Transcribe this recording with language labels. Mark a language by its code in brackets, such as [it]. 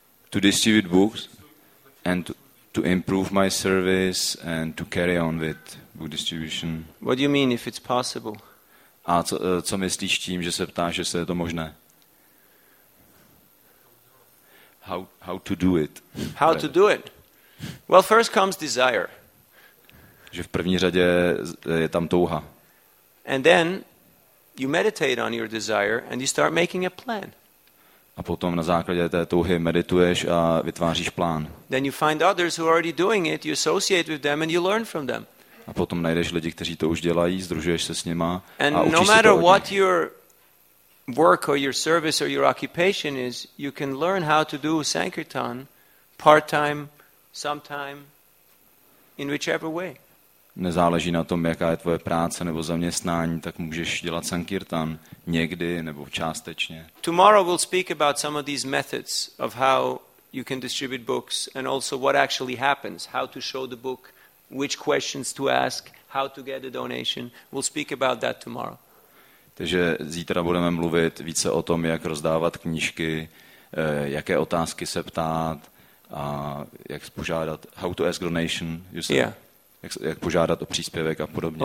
[en] To distribute books and to improve my service and to carry on with book distribution. What do you mean if it's possible? [cs] A co myslíš tím, že se ptáš, jestli je to možné? [en] How to do it? How to do it? Well, first comes desire. [cs] Že v první řadě je tam touha. [en] And then you meditate on your desire and you start making a plan. [cs] A potom na základě té touhy medituješ a vytváříš plán. [en] Then you find others who are already doing it, you associate with them and you learn from them. [cs] A potom najdeš lidi, kteří to už dělají, združuješ se s nima [en] and [cs] a učíš [en] no matter what your work or your service or your occupation is, you can learn how to do sankirtan part-time, sometime, in whichever way. [cs] Nezáleží na tom, jaká je tvoje práce nebo zaměstnání, tak můžeš dělat sankirtan někdy nebo částečně. [en] Tomorrow we'll speak about some of these methods of how you can distribute books and also what actually happens, how to show the book, which questions to ask, how to get a donation. We'll speak about that tomorrow. [cs] Takže zítra budeme mluvit více o tom, jak rozdávat knížky, jaké otázky se ptát a jak požádat, [en] how to ask donation, you said. Yeah. [cs] Jak požádat o příspěvek a podobně.